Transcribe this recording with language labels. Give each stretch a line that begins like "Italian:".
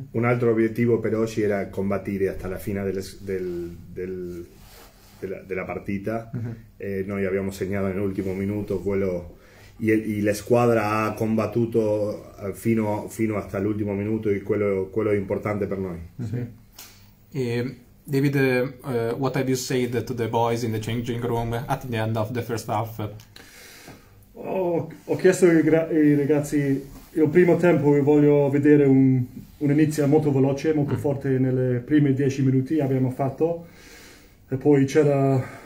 Italian: un altro obiettivo per oggi era combattere fino alla fine della partita. Noi abbiamo segnato nell'ultimo minuto, e la squadra ha combattuto fino all'ultimo minuto, e quello è importante per noi.
English: David, what have you said to the boys in the changing room at the end of the first half?
Italian: Ho chiesto ai ragazzi, io primo tempo voglio vedere un'inizio molto veloce, molto forte nelle prime 10 minuti abbiamo fatto, e poi c'era